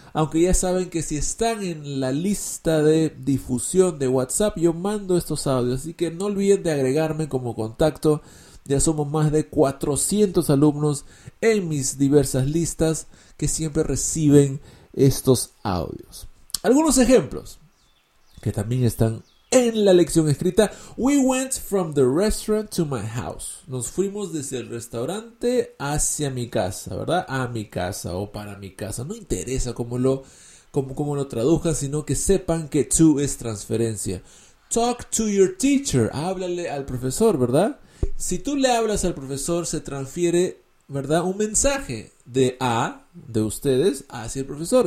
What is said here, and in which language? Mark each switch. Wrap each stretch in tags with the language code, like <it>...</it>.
<es>Aunque ya saben que si están en la lista de difusión de WhatsApp, yo mando estos audios, así que no olviden de agregarme como contacto. Ya somos más de 400 alumnos en mis diversas listas que siempre reciben estos audios. Algunos ejemplos que también están en la lección escrita.</es> <en>We went from the restaurant to my house.</en> <es>Nos fuimos desde el restaurante hacia mi casa, ¿verdad? A mi casa o para mi casa. No interesa cómo lo traduzcan, sino que sepan que to es transferencia.</es> <en>Talk to your teacher.</en> <es>Háblale al profesor, ¿verdad? Si tú le hablas al profesor, se transfiere, ¿verdad?, un mensaje de ustedes hacia el profesor.</es>